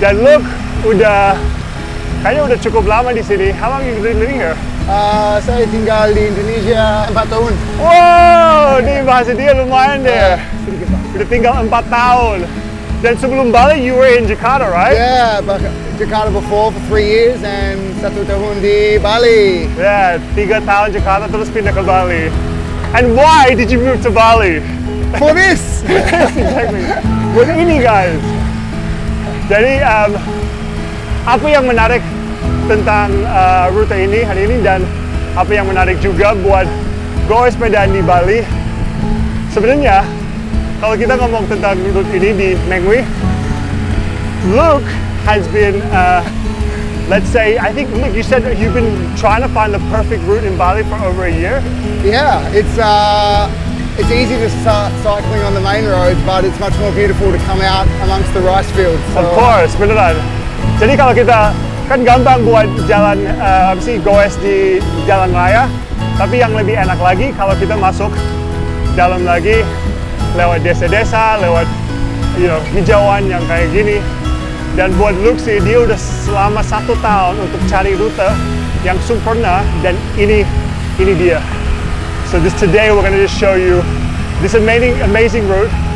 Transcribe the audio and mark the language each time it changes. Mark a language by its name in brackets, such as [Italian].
[Indonesian] Dan Luke kayaknya udah cukup lama di sini. [English] How long you been living here? [Indonesian] Saya tinggal di Indonesia 4 tahun. Wow, ini bahasa dia lumayan deh. Udah tinggal 4 tahun. Dan sebelum Bali, [English] you were in Jakarta, right? Yeah, Jakarta before for 3 years and [Indonesian] 1 tahun di Bali. Yeah, 3 tahun Jakarta terus pindah ke Bali. [English] And why did you move to Bali? For this! [Indonesian] Exactly. Buat ini, guys. Jadi, apa yang menarik tentang rute ini hari ini dan apa yang menarik juga buat gue sepedaan di Bali sebenarnya kalau kita ngomong tentang rute ini di Mengwei, [English] Luke has been let's say I think Luke you said that you've been trying to find the perfect route in Bali for over a year. Yeah, it's easy to start cycling on the main roads, but it's much more beautiful to come out amongst the rice fields. So. Of course, beneran. [Indonesian] Jadi kalau kita kan gampang buat jalan goes di jalan raya, tapi yang lebih enak lagi kalau kita masuk dalam lagi lewat desa-desa, lewat hijauan yang kayak gini. Dan buat Luke sih, dia udah selama 1 tahun untuk cari rute yang sempurna dan ini dia. [English] So this today we're gonna just show you this amazing route.